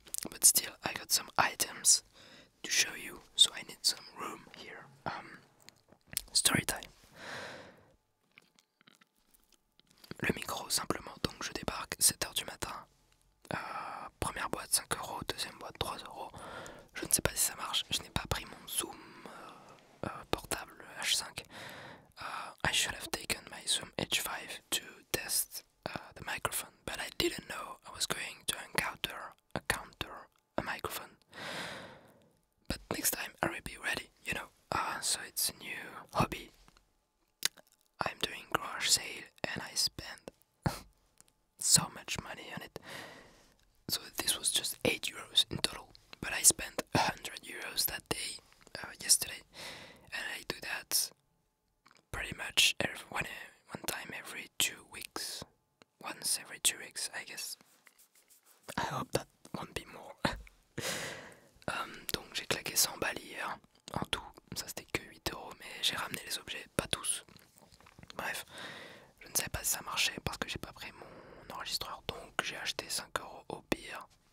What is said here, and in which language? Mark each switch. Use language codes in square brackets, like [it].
[en] But still, I got some items to show you, so I need some room here. Story time. [fr] Le micro, simplement, donc je débarque 7h du matin. Première boîte, 5€, deuxième boîte, 3€. Je ne sais pas si ça marche, je n'ai pas pris mon zoom portable H5. [en] I should have taken my Zoom H5 to test the microphone, but I didn't know I was going to encounter a microphone. But next time I will be ready, you know. So it's a new hobby. I'm doing garage sale and I spend so much money on it. So this was just 8 euros in total, but I spent 100 euros that day, yesterday, and I do that pretty much once every two weeks, I guess. I hope that won't be more. [fr] donc j'ai claqué 100 balles hier, en tout, ça c'était que 8 euros, mais j'ai ramené les objets, pas tous. Bref, je ne savais pas si ça marchait parce que j'ai pas pris mon enregistreur, donc j'ai acheté 5 euros au pire.